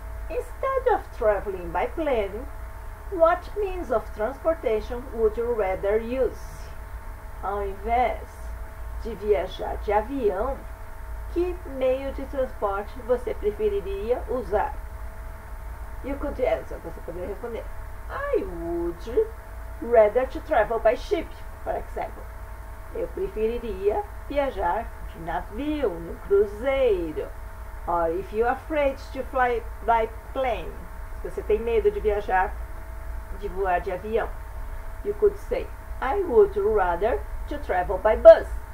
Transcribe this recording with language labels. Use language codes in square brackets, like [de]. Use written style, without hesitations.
[en] Instead of traveling by plane, what means of transportation would you rather use? [pt] Ao invés de viajar de avião, que meio de transporte você preferiria usar? [en] You could answer, você poderia responder. I would rather to travel by ship, for example. [pt] Eu preferiria viajar de navio, no cruzeiro. Or if you're afraid to fly by plane, se você tem medo de viajar, de voar de avião, you could say, I would rather to travel by bus.